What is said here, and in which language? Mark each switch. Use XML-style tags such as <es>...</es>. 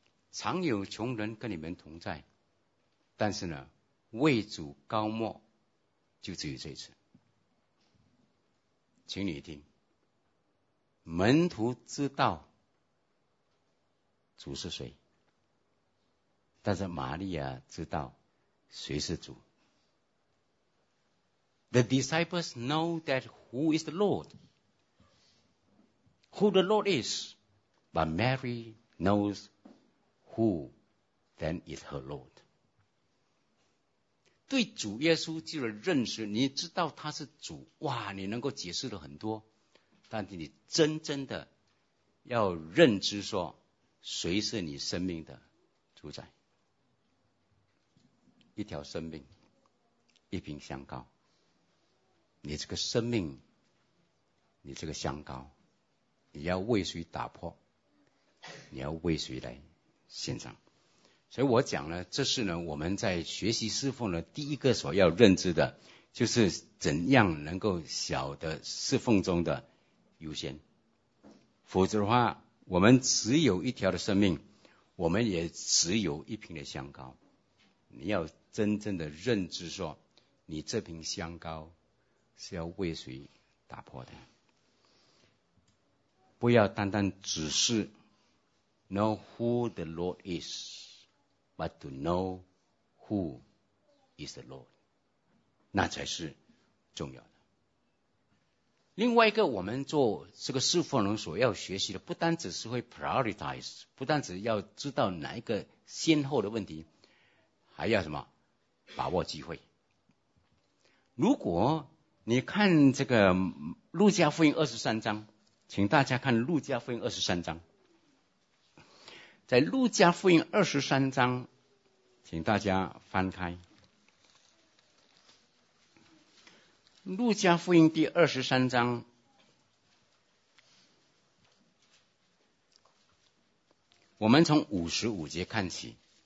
<zh>常有穷人跟你们同在，但是呢，为主高莫就只有这一次。请你听，门徒知道主是谁，但是玛利亚知道谁是主。</zh> <en>The disciples know that who is the Lord, who the Lord is, but Mary knows who then is her Lord.</en> <zh>对主耶稣就有认识，你知道他是主，哇，你能够解释了很多，但是你真正的要认知说谁是你生命的主宰？一条生命，一瓶香膏。你这个生命，你这个香膏，你要为谁打破？你要为谁来献上？所以我讲呢，这是呢我们在学习侍奉的第一个所要认知的，就是怎样能够晓得侍奉中的优先。否则的话，我们只有一条的生命，我们也只有一瓶的香膏。你要真正的认知说，你这瓶香膏是要为谁打破的？不要单单只是</zh> <en>know who the Lord</en> <zh>is, but to know who is the Lord, 那才是重要的。另外一个，我们做这个侍奉人所要学习的，不单只是会 prioritize, 不单只要知道哪一个先后的问题，还要什么把握机会。如果你看这个路加福音23章，请大家看路加福音23章，在路加福音23章，请大家翻开路加福音第23章，我们从55节看起。</zh>